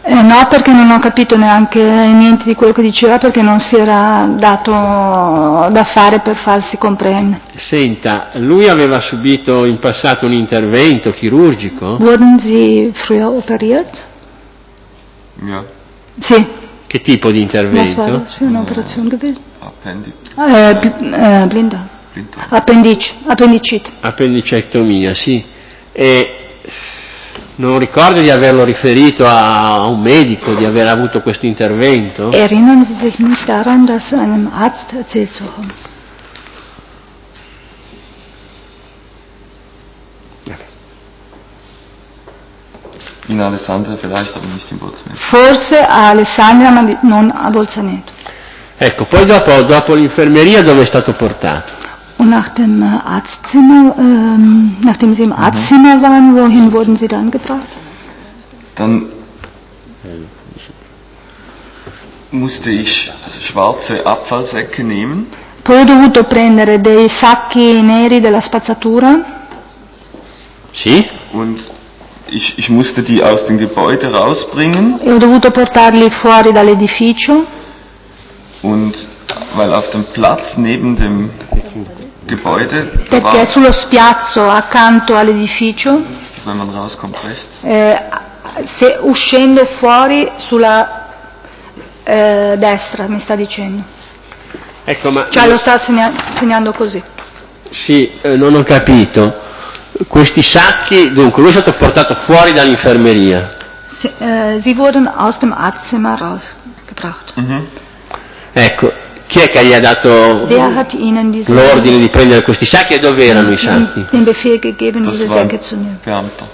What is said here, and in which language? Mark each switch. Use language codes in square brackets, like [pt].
[it] No, perché non ho capito neanche niente di quello che diceva, perché non si era dato da fare per farsi comprendere. Senta, lui aveva subito in passato un intervento chirurgico? [de] Wurden Sie früher operiert? Ja. [it] Sì. Che tipo di intervento? [de] Was war das für eine Operation gewesen? Blinddarm. [it] Appendicite. Appendicectomia, sì. E non ricordo di averlo riferito a un medico, di aver avuto questo intervento? [de] Erinnern Sie sich nicht daran, das einem Arzt erzählt zu haben? In Alessandria, vielleicht, aber nicht in Bolzaneto. [it] Forse a Alessandria, ma non a Bolzaneto. Ecco, poi dopo l'infermeria, dove è stato portato? [de] Und nach dem Arztzimmer, nachdem Sie im Arztzimmer waren, wohin wurden Sie dann gebracht? Dann musste ich schwarze Abfallsäcke nehmen. [it] Poi ho dovuto prendere dei sacchi neri della spazzatura. Sì. [de] Und ich musste die aus dem Gebäude rausbringen. [it] E ho dovuto portarli fuori dall'edificio. [de] Und weil auf dem Platz neben dem Gebäude, [it] perché sullo spiazzo accanto all'edificio, [de] wenn man rauskommt rechts, [it] se uscendo fuori sulla destra, mi sta dicendo. Ecco, ma cioè lo sta segnando così. Sì, non ho capito. Questi sacchi, dunque, lui è stato portato fuori dall'infermeria. [de] Sie wurden aus dem Arztzimmer rausgebracht. [it] Ecco. Chi è che gli ha dato l'ordine di prendere questi sacchi e dove erano i sacchi? [de] Den Befehl gegeben, diese Säcke zu nehmen.